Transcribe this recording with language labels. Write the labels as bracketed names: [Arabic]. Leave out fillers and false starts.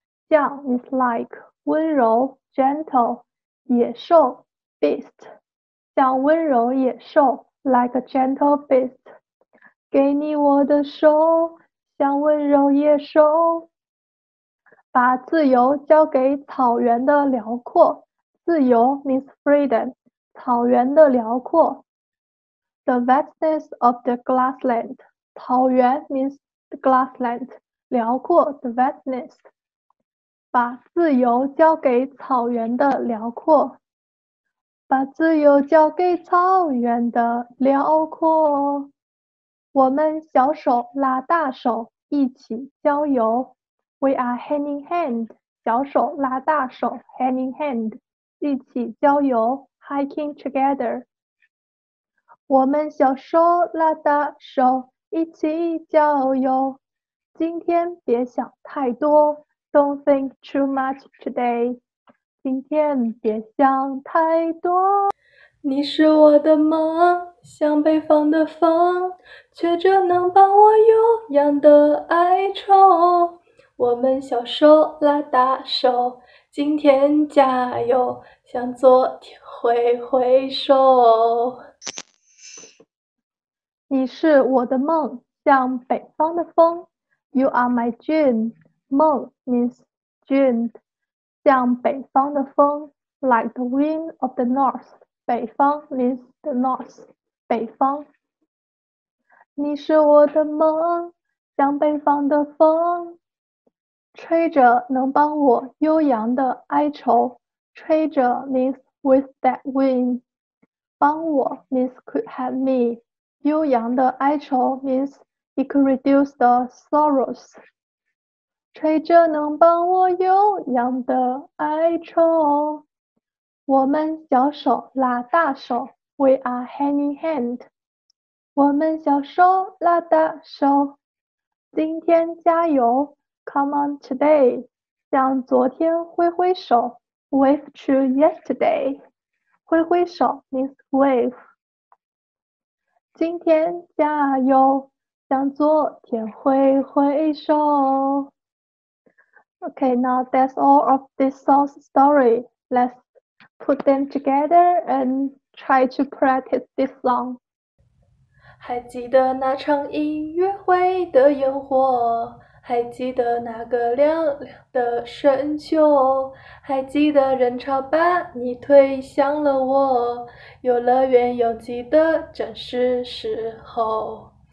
[Chinese] 像 [English] is like, [Chinese] 温柔 [English] gentle, [Chinese] 野兽 [English] beast, [Chinese] 像温柔野兽 [English] like a gentle beast. [Chinese] 给你我的手，像温柔野兽。把自由交给草原的辽阔，自由 [English] means freedom, [Chinese] 草原的辽阔。 [English] The vastness of the grassland, [Chinese] 草原 [English] means The grassland, [Chinese] 辽阔 [English] the vastness. [Chinese] 把自由交给草原的辽阔。把自由交给草原的辽阔。我们小手拉大手，一起郊游。 [English] We are hand in hand, [Chinese] 小手拉大手 [English] hand in hand, [Chinese] 一起郊游 [English] hiking together. [Chinese] 我们小手拉大手。一起郊游，今天别想太多 [English] Don't think too much today [Chinese] 今天别想太多你是我的梦像北方的风却只能把我悠扬的哀愁我们小手拉大手今天加油向昨天挥挥手你是我的梦，像北方的风。 [English] You are my dream. [Chinese] 梦 [English] means dream. [Chinese] 像北方的风 [English] ，like the wind of the north. [Chinese] 北方 [English] means the north. [Chinese] 北方。你是我的梦，像北方的风，吹着能帮我悠扬的哀愁。吹着 [English] means with that wind. [Chinese] 帮我 [English] means could have me. [Chinese] 悠扬的哀愁 [English] means it could reduce the sorrows. [Chinese] 吹着能帮我悠扬的哀愁。我们小手拉大手 [English] ，We are hand in hand. [Chinese] 我们小手拉大手，今天加油 ， [English] Come on today. [Chinese] 向昨天挥挥手 ， [English] Wave to yesterday. [Chinese] 挥挥手 [English] means wave. [Chinese] 今天加油，向昨天挥挥手。 [English] Okay, now that's all of this song's story. Let's put them together and try to practice this song. [Chinese] 还记得那场音乐会的烟火，还记得那个亮亮的声球，还记得人潮把你推向了我，游乐园又记得正是时候。